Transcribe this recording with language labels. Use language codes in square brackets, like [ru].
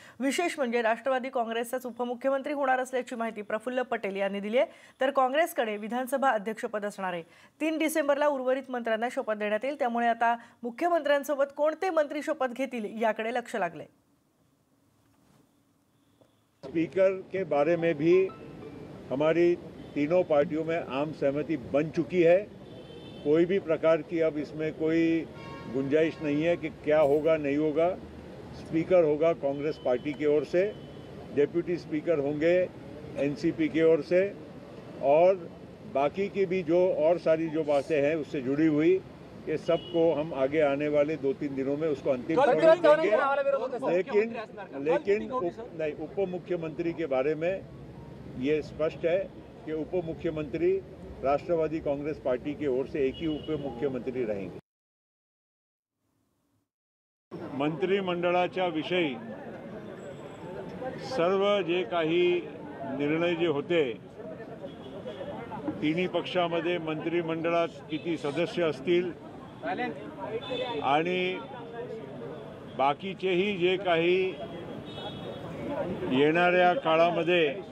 [mr] विशेष म्हणजे राष्ट्रवादी काँग्रेसचाच उपमुख्यमंत्री होणार असल्याची माहिती प्रफुल्ल पटेल यांनी दिली आहे. तर काँग्रेसकडे विधानसभा अध्यक्षपद असणार आहे. 3 डिसेंबरला उर्वरित मंत्र्यांना शपथ देण्यात येईल, त्यामुळे आता मुख्यमंत्र्यांसोबत कोणते मंत्री शपथ घेतील याकडे लक्ष लागले. [hi] स्पीकर के बारे में भी हमारी तीनों पार्टियों में आम सहमति बन चुकी है. कोई भी प्रकार की अब इसमें कोई गुंजाइश नहीं है कि क्या होगा नहीं होगा. स्पीकर होगा कांग्रेस पार्टी की ओर से, डेप्यूटी स्पीकर होंगे एनसीपी की ओर से, और बाकी की भी जो और सारी जो बातें हैं उससे जुड़ी हुई, ये सबको हम आगे आने वाले 2-3 दिनों में उसको अंतिम करेंगे. लेकिन नहीं, उप मुख्यमंत्री के बारे में ये स्पष्ट है कि उप मुख्यमंत्री राष्ट्रवादी कांग्रेस पार्टी की ओर से एक ही उप मुख्यमंत्री रहेंगे. [mr] मंत्रिमंडळाच्या विषयी सर्व जे काही निर्णय जे होते, तिन्ही पक्षामध्ये मंत्रिमंडळात किती सदस्य असतील आणि बाकीचेही जे काही येणाऱ्या काळामध्ये